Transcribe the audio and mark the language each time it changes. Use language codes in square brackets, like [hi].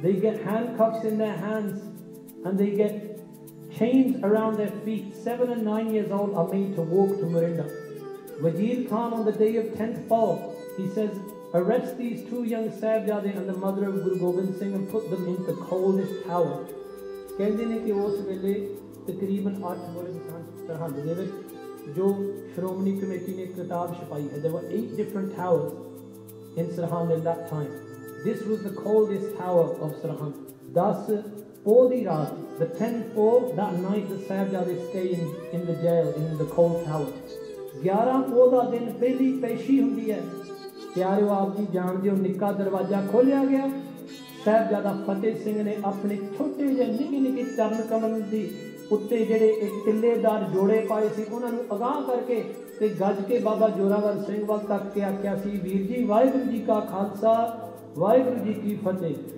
[en] They get handcuffs in their hands and they get chains around their feet. 7 and 9 years old are made to walk to Morinda. Wajir Khan on the day of 10th fall, he says, arrest these two young Sahibzade and the mother of Guru Gobind Singh and put them in the coldest tower. [pa] ਕਹਿੰਦੇ ਨੇ ਕਿ ਉਸ ਵੇਲੇ ਤਕਰੀਬਨ 8 ਵਰਿਆਂ ਦੀ ਸਰਹੰਦ ਦੇ ਵਿੱਚ ਜੋ ਸ਼੍ਰੋਮਣੀ ਕਮੇਟੀ ਨੇ ਕਿਤਾਬ ਛਪਾਈ ਹੈ, [en] there were 8 different towers in Sirhind at that time. This was the coldest tower of Sirhind. Thus, all the raat, the 10th fall, that night the Sahibzade stay in the jail, in the cold tower. [pa] 11 ਫੋਲ ਦਾ ਦਿਨ ਪਹਿਲੀ ਪੇਸ਼ੀ ਹੁੰਦੀ ਹੈ। ਪਿਆਰਿਓ ਆਪ ਜੀ ਜਾਣਦੇ ਹੋ, ਨਿੱਕਾ ਦਰਵਾਜ਼ਾ ਖੋਲ੍ਹਿਆ ਗਿਆ। ਸਾਹਿਬਜ਼ਾਦਾ ਫਤਿਹ ਸਿੰਘ ਨੇ ਆਪਣੇ ਛੋਟੇ ਜਿਹੇ ਨਿੱਘੇ ਨਿੱਘੇ ਚਰਨ ਕਮਲ ਦੀ ਉੱਤੇ ਜਿਹੜੇ ਇੱਕ ਤਿੱਲੇਦਾਰ ਜੋੜੇ ਪਾਏ ਸੀ ਉਹਨਾਂ ਨੂੰ ਅਗਾਂਹ ਕਰਕੇ ਅਤੇ ਗੱਜ ਕੇ ਬਾਬਾ ਜ਼ੋਰਾਵਰ ਸਿੰਘ ਵੱਲ ਤੱਕ ਕੇ ਆਖਿਆ ਸੀ, ਵੀਰ ਜੀ ਵਾਹਿਗੁਰੂ ਜੀ ਕਾ ਖਾਲਸਾ ਵਾਹਿਗੁਰੂ ਜੀ ਕੀ ਫਤਿਹ।